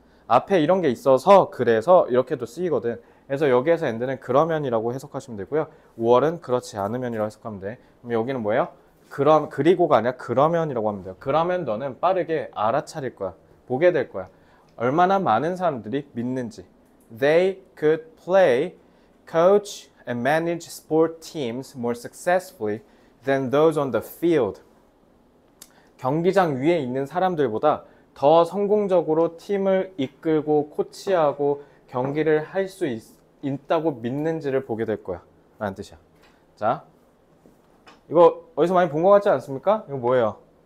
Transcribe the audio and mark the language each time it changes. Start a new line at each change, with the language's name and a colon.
Korean: 앞에 이런 게 있어서 그래서 이렇게도 쓰이거든. 그래서 여기에서 end는 그러면이라고 해석하시면 되고요. while은 그렇지 않으면이라고 해석하면 돼. 그럼 여기는 뭐예요? 그럼 그리고가 아니라 그러면이라고 하면 돼요. 그러면 너는 빠르게 알아차릴 거야. 보게 될 거야. 얼마나 많은 사람들이 믿는지.
English: They could play, coach and manage sport teams more successfully than those on the field.
Korean: 경기장 위에 있는 사람들보다 더 성공적으로 팀을 이끌고 코치하고 경기를 할수 있다고 믿는지를 보게 될 거야. 라는 뜻이야. 자, 이거 어디서 많이 본것 같지 않습니까? 이거 뭐예요?